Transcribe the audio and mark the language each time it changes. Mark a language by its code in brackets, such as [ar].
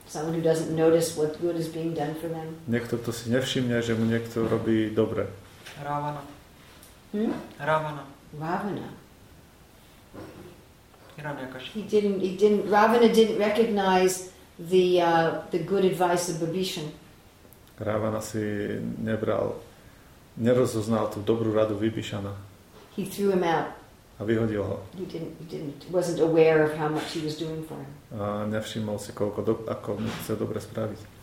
[en] Someone who doesn't notice what good is being done for them. [sk] Niekto, kto si nevšimne, že mu niekto robí dobre. [en] Ravana. Ravana. Ravana. Ravana didn't recognize the good advice of Vibhishan. [sk] Ravana si nebral, nerozoznal tú dobrú radu Vibhishana. [en] He threw him out. [sk] A vyhodil ho. [en] Wasn't aware of how much he was doing for him. [sk] A nevšimol si, koľko ako mu chce dobre spraviť.